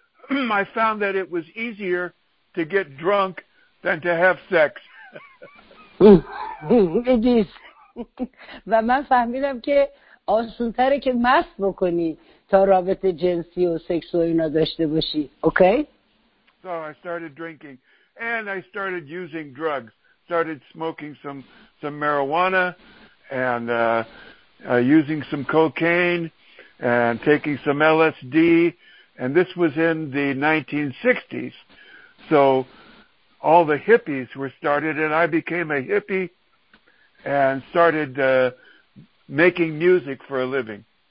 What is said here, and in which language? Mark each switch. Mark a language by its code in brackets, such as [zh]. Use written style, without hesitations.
[en] I found that it was easier to get drunk than to have sex. It is. [fa] و من فهمیدم که آسونتره که مست بکنی تا رابطه جنسی و سکس و اینا داشته باشی. [en] Okay? So I started drinking and I started using drugs. Started smoking some marijuana and using some cocaine and taking some LSD. And this was in the 1960s. So all the hippies were started and I became a hippie and started making music for a living.